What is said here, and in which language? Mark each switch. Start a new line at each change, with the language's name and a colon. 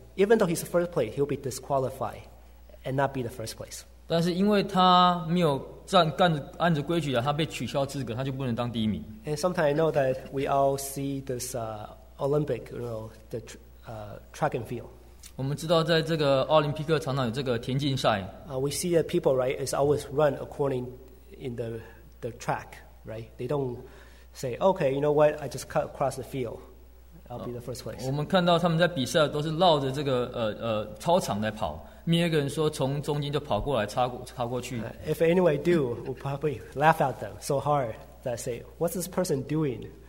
English: Even though he's the first place, he'll be disqualified and not be the first place.
Chinese: 但是因为他没有按着规矩的，他被取消资格，他就不能当第一名。
English: And sometimes I know that we all see this Olympic, you know, the track and field.
Chinese: 我们知道在这个奥林匹克常常有这个田径赛。
English: We see that people, right, is always run according in the track, right? They don't say, okay, you know what, I just cut across the field. I'll be the first place.
Chinese: 我们看到他们在比赛都是绕着这个操场来跑。没有一个人说从中间就跑过来插过去。
English: If anyway do, we'll probably laugh at them so hard that say, what's this person doing?